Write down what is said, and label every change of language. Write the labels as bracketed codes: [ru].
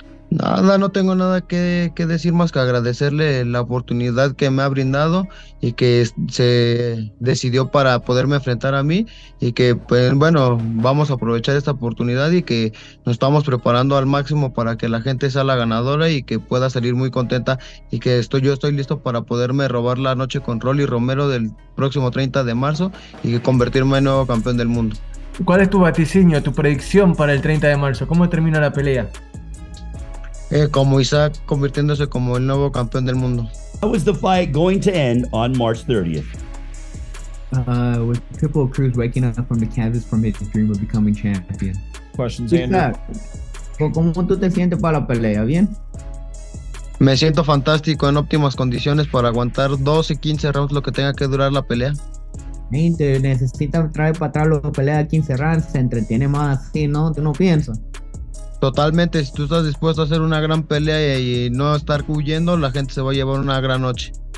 [es] Nada, no tengo nada que decir más que agradecerle la oportunidad que me ha brindado y que se decidió para poderme enfrentar a mí, y que pues, bueno, vamos a aprovechar esta oportunidad y que nos estamos preparando al máximo para que la gente sea la ganadora y que pueda salir muy contenta, y que yo estoy listo para poderme robar la noche con Rolly Romero del próximo 30 de marzo y convertirme en nuevo campeón del mundo. ¿Cuál es tu vaticinio, tu predicción para el 30 de marzo? ¿Cómo termina la pelea? Como Isaac convirtiéndose como el nuevo campeón del mundo. [en] How is the fight going to end on March 30th? With Triple Cruz waking up from the canvas from his dream of becoming champion. Questions, Isaac, [es] Andrew. ¿Cómo tú te sientes para la pelea? ¿Bien? Me siento fantástico, en óptimas condiciones para aguantar 12, 15 rounds, lo que tenga que durar la pelea. Gente, necesita traer para atrás la pelea de 15 rounds, se entretiene más así, ¿no? ¿Tú no piensas? Totalmente, si tú estás dispuesto a hacer una gran pelea y no estar huyendo, la gente se va a llevar una gran noche.